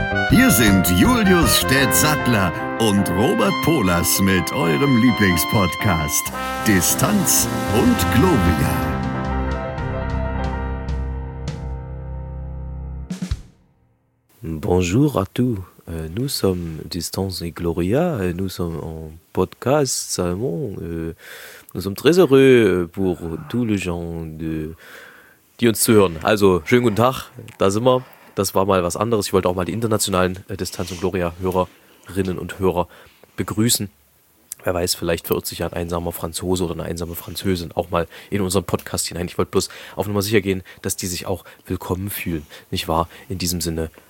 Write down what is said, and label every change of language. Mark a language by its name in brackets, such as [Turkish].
[German] Hier sind Julius Städtsattler und Robert Polas mit eurem Lieblingspodcast Distanz und Gloria. [French] Bonjour à tous. Nous sommes Distance et Gloria, et nous sommes en podcast, Simon. Nous sommes très heureux pour tous les gens qui [German] uns zuhören. Also, schönen guten Tag, da sind wir. Das war mal was anderes. Ich wollte auch mal die internationalen Distanz und Gloria-Hörerinnen und Hörer begrüßen. Wer weiß, vielleicht verirrt sich ja ein einsamer Franzose oder eine einsame Französin auch mal in unseren Podcast hinein. Ich wollte bloß auf Nummer sicher gehen, dass die sich auch willkommen fühlen. Nicht wahr? In diesem Sinne.